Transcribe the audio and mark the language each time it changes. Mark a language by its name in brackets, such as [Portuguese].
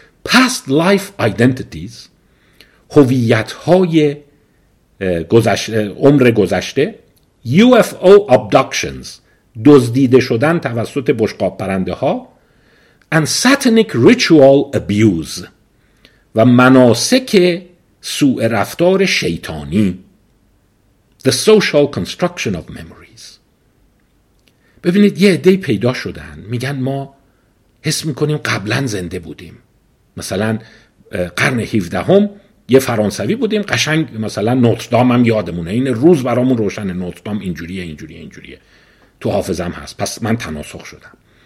[English] Past life identities، [Persian] هویت‌های گذشته، عمر گذشته. [English] UFO abductions، [Persian] دزدیده شدن توسط بشقاب پرنده ها. [English] And satanic ritual abuse، [Persian] و مناسک سوء رفتار شیطانی. [English] The social construction of memories. [Persian] ببینید یه عده پیدا شدن میگن ما حس میکنیم قبلا زنده بودیم، مثلا قرن 17 هم یه فرانسوی بودیم قشنگ، مثلا نوتردام هم یادمونه، این روز برامون روشنه، نوتردام اینجوریه اینجوریه اینجوریه، تو حافظم هست، پس من تناسخ شدم.